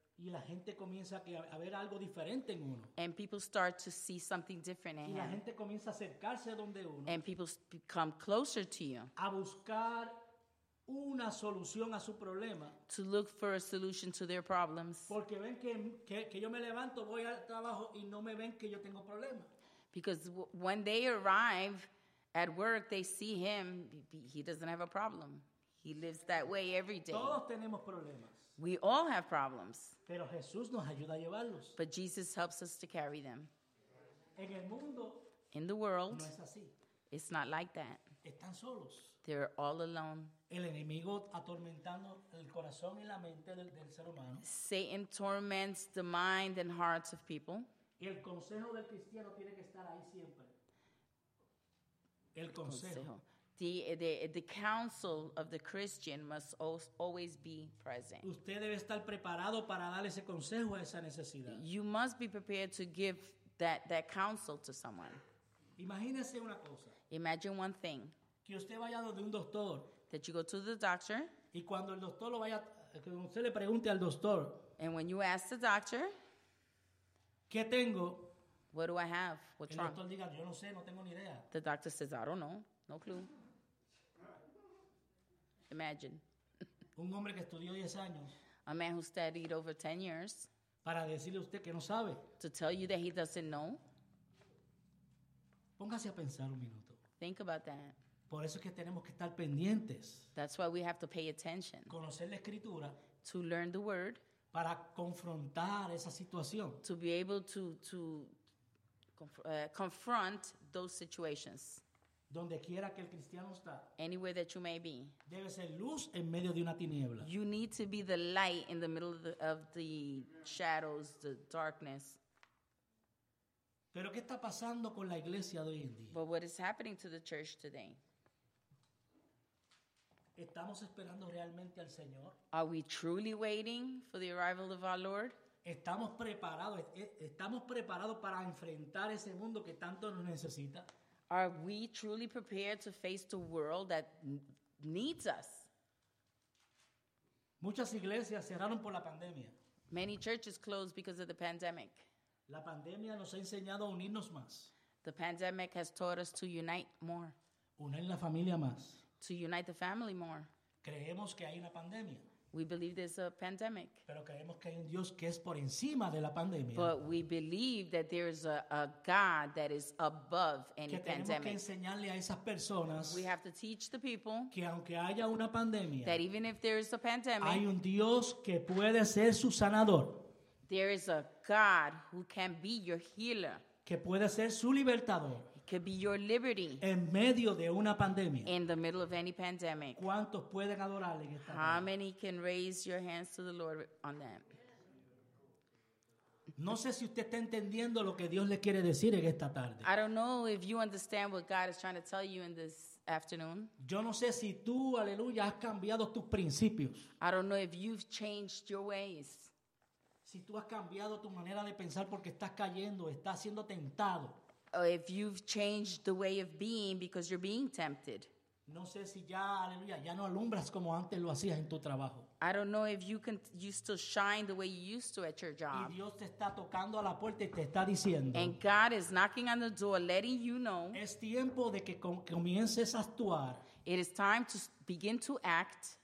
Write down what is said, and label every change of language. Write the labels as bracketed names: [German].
[Spanish] Y la gente comienza a ver algo diferente en uno. [English] And people start to see something different in him. [Spanish] Y la gente comienza a acercarse a donde uno. [English] And people come closer to you. [Spanish] A buscar una solución a su problema. [English] To look for a solution to their problems. [Spanish] Porque ven que yo me levanto, voy al trabajo y no me ven que yo tengo problemas. [English] Because when they arrive at work, they see him, he doesn't have a problem. He lives that way every day. [Spanish] Todos tenemos problemas. [English] We all have problems. [Spanish] Pero Jesús nos ayuda a llevarlos. [English] But Jesus helps us to carry them. [Spanish] En el mundo, [English] in the world, [Spanish] no es así. [English] It's not like that. [Spanish] Están solos. [English] They're all alone. [Spanish] El enemigo atormentando el corazón y la mente del ser humano. [English] Satan torments the mind and hearts of people. [Spanish] El consejo del cristiano tiene que estar ahí siempre. El consejo. [English] The counsel of the Christian must always be present. [Spanish] Usted debe estar preparado para dar ese consejo a esa necesidad. [English] You must be prepared to give that counsel to someone. [Spanish] Imagínese una cosa. [English] Imagine one thing. [Spanish] Que usted vaya donde un doctor. [English] That you go to the doctor. [Spanish] Y cuando el doctor lo vaya, que usted le pregunte al doctor. [English] And when you ask the doctor. [Spanish] ¿Qué tengo? [English] What do I have? What's wrong? [Spanish] El doctor diga, yo no sé, no tengo ni idea. [English] The doctor says, I don't know. No clue. Imagine. [Spanish] Un hombre que estudió 10 años. [English] A man who studied over 10 years. [Spanish] Para decirle a usted que no sabe. [English] To tell you that he doesn't know. [Spanish] Póngase a pensar un minuto. [English] Think about that. [Spanish] Por eso es que tenemos que estar pendientes. [English] That's why we have to pay attention. [Spanish] Conocer la escritura. [English] To learn the word. [Spanish] Para confrontar esa situación. [English] To be able to confront those situations. [Spanish] Donde quiera que el cristiano está. [English] Anywhere that you may be. [Spanish] Debe ser luz en medio de una tiniebla. [English] You need to be the light in the middle of the shadows, the darkness. [Spanish] Pero ¿qué está pasando con la iglesia de hoy en día? [English] But what is happening to the church today? [Spanish] ¿Estamos esperando realmente al Señor? [English] Are we truly waiting for the arrival of our Lord? [Spanish] ¿Estamos preparados para enfrentar ese mundo que tanto nos necesita? [English] Are we truly prepared to face the world that needs us? [Spanish] Muchas iglesias cerraron por la pandemia. [English] Many churches closed because of the pandemic. [Spanish] La pandemia nos ha enseñado a unirnos más. [English] The pandemic has taught us to unite more. [Spanish] Unir la familia más. [English] To unite the family more. [Spanish] Creemos que hay una pandemia. [English] We believe there's a pandemic. [Spanish] Pero creemos que hay un Dios que es por encima de la pandemia. [English] But we believe that there is a God that is above any pandemic. [Spanish] Que tenemos que enseñarle a esas personas. [English] We have to teach the people. [Spanish] Que aunque haya una pandemia. [English] That even if there is a pandemic. [Spanish] Hay un Dios que puede ser su sanador. [English] There is a God who can be your healer. [Spanish] Que puede ser su libertador. [English] Could be your liberty [Spanish] en medio de una pandemia. [English] In the middle of any pandemic. [Spanish] ¿Cuántos pueden adorarle en esta [English] How many can raise your hands to the Lord on that? [Spanish] No sé si usted está entendiendo lo que Dios le quiere decir en esta tarde. [English] I don't know if you understand what God is trying to tell you in this afternoon. [Spanish] Yo no sé si tú, aleluya, has cambiado tus principios. [English] I don't know if you've changed your ways. [Spanish] Si tú has cambiado tu manera de pensar porque estás cayendo, estás siendo tentado. [English] If you've changed the way of being because you're being tempted. [Spanish] No sé si ya, aleluya, ya no alumbras como antes lo hacías en tu trabajo. [English] I don't know if you still shine the way you used to at your job. [Spanish] Y Dios te está tocando a la puerta y te está diciendo. [English] And God is knocking on the door letting you know. [Spanish] Es tiempo de que comiences a actuar. [English] It is time to begin to act.